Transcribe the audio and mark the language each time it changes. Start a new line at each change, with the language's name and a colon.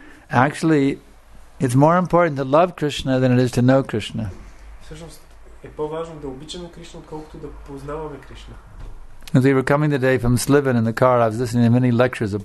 English: Actually, it's more important to love Krishna than it is to know Krishna.
Bulgarian: Е по-важно да обичаме Кришна, отколкото да познаваме Кришна.
English: As we were coming today from Sliven in the car, I was listening to many lectures of